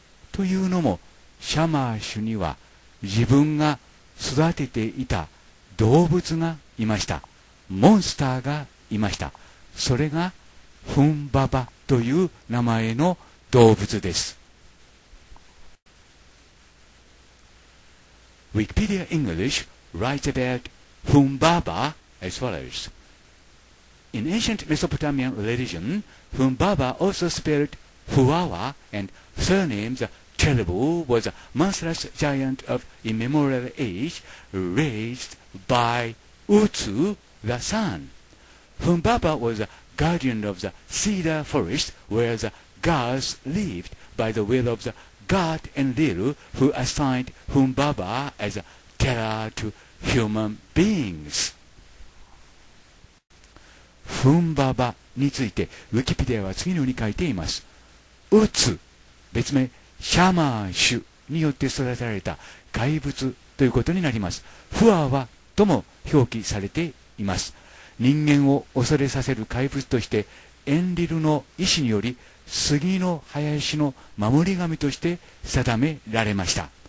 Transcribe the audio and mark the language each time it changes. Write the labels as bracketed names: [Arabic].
[Japanese] というのもシャマーシュには自分が育てていた動物がいました。モンスターがいました。それがフンババという名前の動物です。 [English] Wikipedia English writes about Humbaba as follows. In ancient Mesopotamian religion, Humbaba also spelled Huawa and surnamed the Terrible was a monstrous giant of immemorial age raised by Utsu. The sun. Humbaba was a guardian of the cedar forest where the gods lived by the will of the god Enlilu, who assigned Humbaba as a terror to human beings. [Japanese] Humbaba についてウィキペディアは次のように書いています。ウツ、別名シャマーシュによって育てられた怪物ということになります。フアワとも表記されています。人間を恐れさせる怪物としてエンリルの意志により杉の林の守り神として定められました。